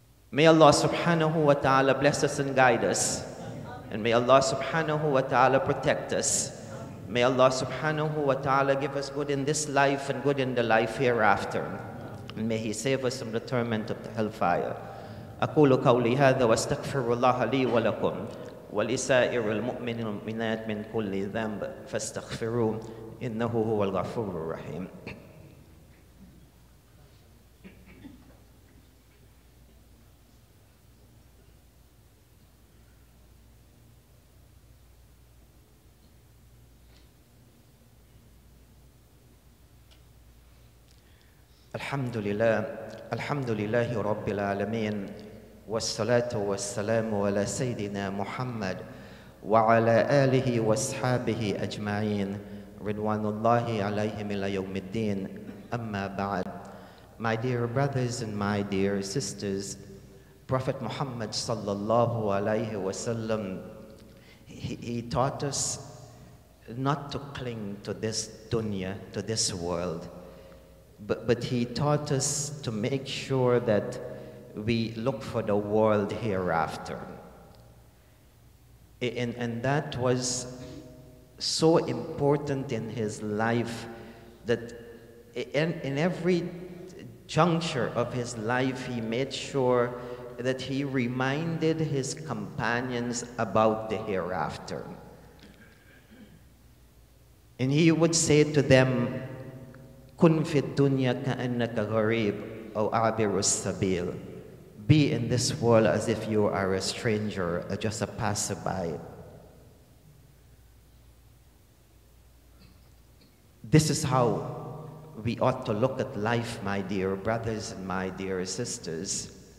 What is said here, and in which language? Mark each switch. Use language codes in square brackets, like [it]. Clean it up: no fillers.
[en] May Allah subhanahu wa ta'ala bless us and guide us. And may Allah subhanahu wa ta'ala protect us. May Allah subhanahu wa ta'ala give us good in this life and good in the life hereafter. And may He save us from the torment of the hellfire. [ar] أقول قولي هذا واستغفر الله لي ولكم ولسائر المؤمنين والمؤمنات من كل ذنب فاستغفروه إنه هو الغفور الرحيم. الحمد لله الحمد لله رب العالمين والصلاة والسلام على سيدنا محمد وعلى آله وصحبه أجمعين رضوان الله عليهم إلى يوم الدين أما بعد. [en] My dear brothers and my dear sisters, Prophet Muhammad [ar] صلى الله عليه وسلم, [en] he taught us not to cling to this dunya, to this world. But he taught us to make sure that we look for the world hereafter. And that was so important in his life that in every juncture of his life, he made sure that he reminded his companions about the hereafter. And he would say to them, [ar] كن في الدنيا كأنك غريب أو عابر السبيل. [en] Be in this world as if you are a stranger, just a passerby. This is how we ought to look at life, my dear brothers and my dear sisters.